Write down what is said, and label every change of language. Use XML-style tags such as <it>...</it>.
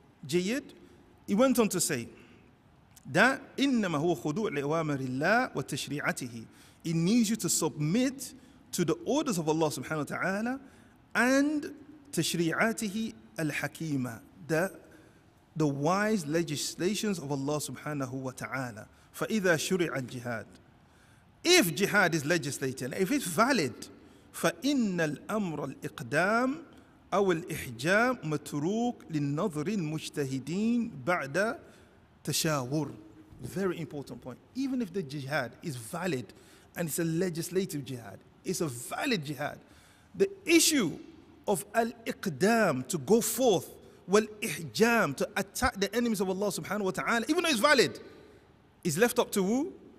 <ar>Jayyid,</ar> <en>he went on to say, that</en> <ar>innama huwa khudu' li'awamirillah wa tashri'atihi.</ar> <en>It needs you to submit to the orders of Allah subhanahu wa ta'ala and tashri'atihi al-hakima, the wise legislations of Allah subhanahu wa ta'ala.</en> <ar>فَإِذَا شُرِعَ الْجِهَادِ.</ar> <en>If jihad is legislated, if it's valid,</en> <ar>فَإِنَّ الْأَمْرَ الْإِقْدَامِ أَوْ الْإِحْجَامِ مَتْرُوكٍ لِلنَّظْرِ الْمُجْتَهِدِينَ بَعْدَ تَشَاوُرٍ.</ar> <en>Very important point. Even if the jihad is valid, and it's a legislative jihad, it's a valid jihad, the issue of al-iqdam, to go forth, wal-ihjam, to attack the enemies of Allah subhanahu wa ta'ala, even though it's valid, is left up to who?</en>